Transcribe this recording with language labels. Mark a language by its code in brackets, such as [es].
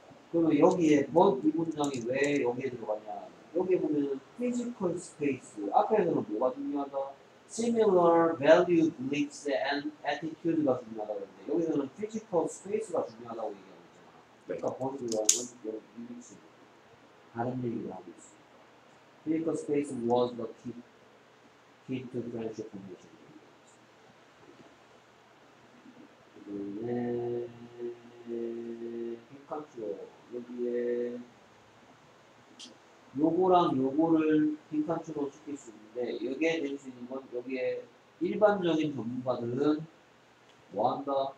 [ko] 그러면 여기에 뭐 이 문장이 왜 여기에 들어갔냐. 여기 보면 physical space 앞에서는 뭐가 중요하다? [en] similar value beliefs and attitude [ko] 가 중요하다 그랬는데 여기서는 physical space가 중요하다고 얘기하고 있잖아. 그러니까 본질은 여기 있지. 다른 얘기를 하고 있어. [en] physical space was the key to friendship formation. [ko] 그 다음에 핑크 여기에 요거랑 요거를 빈칸추로 시킬 수 있는데 여기에 될 수 있는 건 여기에 일반적인 전문가들은 뭐한다?